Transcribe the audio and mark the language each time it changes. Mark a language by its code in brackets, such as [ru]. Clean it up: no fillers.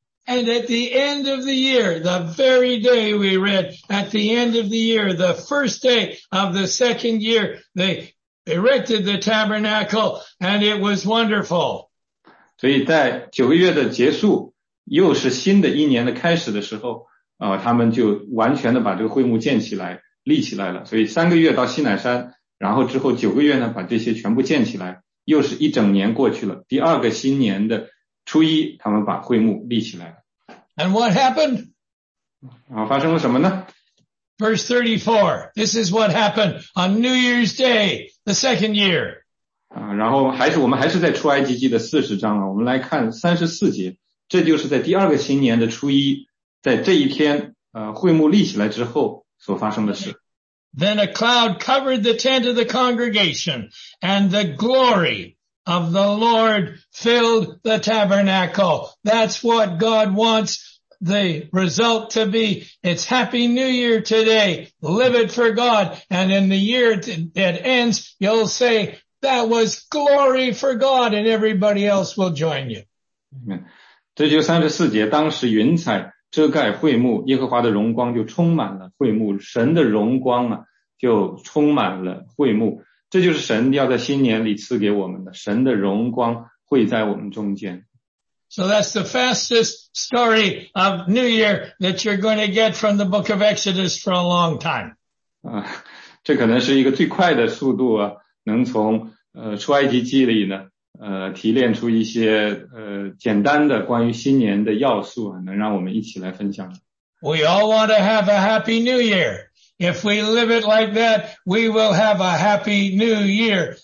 [en] And at the end of the year, the very day we read, at the end of the year, the first day of the second year, they erected the tabernacle, and it was wonderful. [zh] 所以在九个月的结束，又是新的一年的开始的时候。他们就完全的把这个会幕建起来，立起来了。所以三个月到西乃山，然后之后九个月呢，把这些全部建起来，又是一整年过去了。第二个新年的初一，他们把会幕立起来了。 [en] And what happened? [zh] 然后发生了什么呢？ [en] Verse 34, this is what happened on New Year's Day, the second year. [zh] 然后还是我们还是在出埃及记的40章了，我们来看34节，这就是在第二个新年的初一，在这一天会幕立起来之后所发生的事。 [en] Then a cloud covered the tent of the congregation, and the glory of the Lord filled the tabernacle. That's what God wants the result to be. It's Happy New Year today. Live it for God. And in the year that ends, you'll say, that was glory for God, and everybody else will join you. [zh] 这就34节，当时云彩遮盖会幕，耶和华的荣光就充满了会幕，神的荣光啊，就充满了会幕。这就是神要在新年里赐给我们的，神的荣光会在我们中间。 [en] So that's the fastest story of New Year that you're going to get from the book of Exodus for a long time. [zh] 这可能是一个最快的速度啊，能从出埃及记里呢提炼出一些简单的关于新年的要素啊，能让我们一起来分享。 [en] We all want to have a happy new year. If we live it like that, we will have a happy new year.